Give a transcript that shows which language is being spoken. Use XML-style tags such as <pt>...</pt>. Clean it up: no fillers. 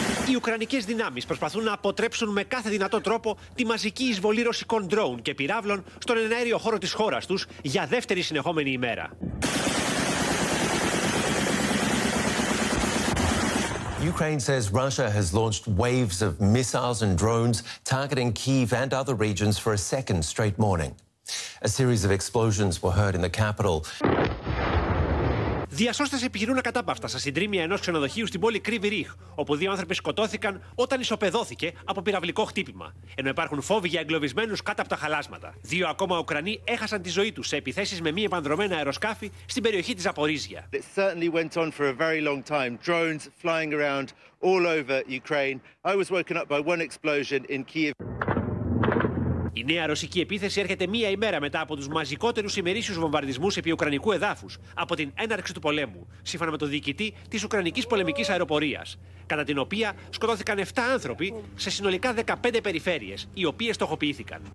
<el>Οι ουκρανικές δυνάμεις προσπαθούν να αποτρέψουν με κάθε δυνατό τρόπο τη μαζική εισβολή ρωσικών ντρόουν και πυράβλων στον εναέριο χώρο της χώρας τους για δεύτερη συνεχόμενη ημέρα.</el> <en>Ukraine says Russia has launched waves of missiles and drones targeting Kyiv and other regions for a second straight morning. A series of explosions were heard in the capital.</en> <el>Διασώστες επιχειρούν ακατάπαυστα σε συντρίμια ενός ξενοδοχείου στην πόλη Κρίβι Ριχ, όπου δύο άνθρωποι σκοτώθηκαν όταν ισοπεδώθηκε από πυραυλικό χτύπημα. Ενώ υπάρχουν φόβοι για εγκλωβισμένους κάτω από τα χαλάσματα. Δύο ακόμα Ουκρανοί έχασαν τη ζωή τους σε επιθέσεις με μη επανδρωμένα αεροσκάφη στην περιοχή της Ζαπορίζια.</el> <en>It certainly went on for a very long time. Drones flying around all over Ukraine. I was woken up by one explosion in Kyiv.</en> <el>Η νέα ρωσική επίθεση έρχεται μία ημέρα μετά από τους μαζικότερους ημερήσιους βομβαρδισμούς επί Ουκρανικού εδάφους από την έναρξη του πολέμου, σύμφωνα με τον διοικητή της Ουκρανικής Πολεμικής Αεροπορίας, κατά την οποία σκοτώθηκαν 7 άνθρωποι σε συνολικά 15 περιφέρειες, οι οποίες στοχοποιήθηκαν.</el>